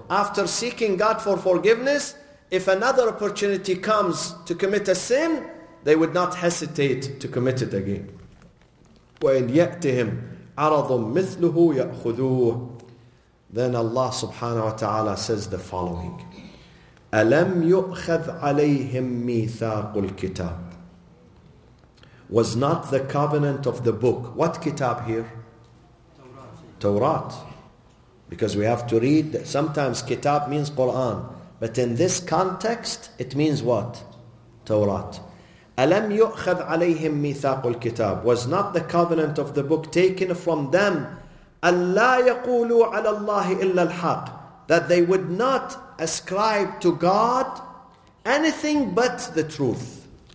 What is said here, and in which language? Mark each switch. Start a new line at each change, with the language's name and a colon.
English: After seeking God for forgiveness, if another opportunity comes to commit a sin, they would not hesitate to commit it again.
Arabic: وَإِنْ يَأْتِهِمْ عَرَضٌ مِثْلُهُ يَأْخُذُوهُ.
English: Then Allah subhanahu wa ta'ala says the following.
Arabic: ألم يؤخذ عليهم ميثاق الكتاب.
English: Was not the covenant of the book. What kitab here? Torah. Because we have to read. Sometimes kitab means Quran. But in this context, it means what? Torah.
Arabic: أَلَمْ يُؤْخَذْ عَلَيْهِمْ مِيثَاقُ الْكِتَابِ
English: Was not the covenant of the book taken from them
Arabic: أَلَّا يَقُولُوا عَلَى اللَّهِ إِلَّا الْحَقِّ
English: That they would not ascribe to God anything but the truth.